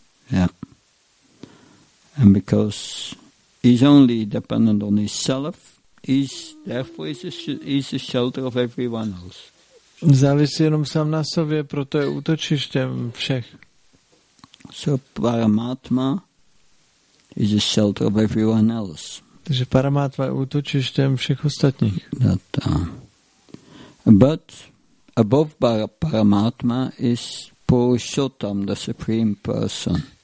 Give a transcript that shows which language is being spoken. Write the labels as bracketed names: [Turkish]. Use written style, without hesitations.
[English] Yeah. And because he's only dependent on itself, he's therefore is a shelter of everyone else. [Czech] Závisí jenom sám na sobě, proto je útočištěm všech. [English] So Paramatma is a shelter of everyone else. [Czech] Takže Paramatma je útočištěm všech ostatních. [English] That, but above Paramatma is Purushottam, the supreme person.